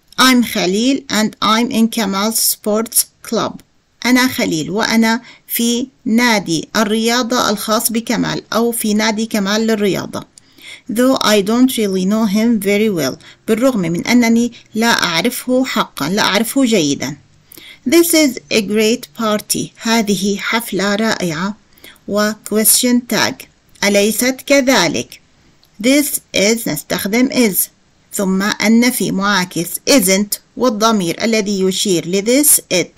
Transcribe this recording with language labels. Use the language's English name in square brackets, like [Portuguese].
[English] I'm Khalil and I'm in Kamal's sports club. [Arabic] أنا خليل وأنا في نادي الرياضة الخاص بكمال أو في نادي كمال للرياضة. [English] Though I don't really know him very well. [Arabic] بالرغم من أنني لا أعرفه حقاً. لا أعرفه جيداً. [English] This is a great party. [Arabic] هذه حفلة رائعة. [English] و question tag. [Arabic] أليست كذلك؟ [English] This is [Arabic] نستخدم is. ثم النفي معاكس isn't والضمير الذي يشير ل [English] this it.